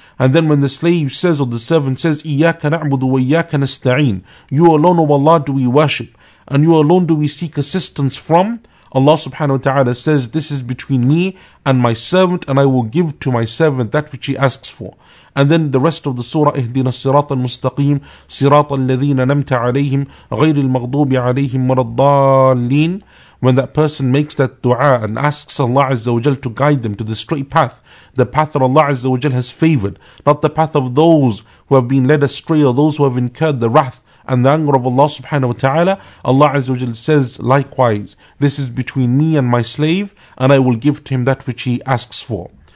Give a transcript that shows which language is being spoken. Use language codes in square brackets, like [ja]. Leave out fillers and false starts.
[en] And then when the slave says, or the servant says, [ar] Iyaka Na'budu wa Iyaka Nasta'een, [en] you alone, O Allah, do we worship, and you alone do we seek assistance from, Allah subhanahu wa ta'ala says, this is between me and my servant, and I will give to my servant that which he asks for. [ar] And then the rest of the surah, اهدنا الصراط المستقيم صراط الذين نمت عليهم غير المغضوب عليهم ولا الضالين. [en] When that person makes that dua and asks Allah Azza wa Jal to guide them to the straight path, the path that Allah Azza wa Jal has favored, not the path of those who have been led astray or those who have incurred the wrath and the anger of Allah subhanahu wa ta'ala, Allah Azza wa Jal says, likewise, this is between me and my slave, and I will give to him that which he asks for.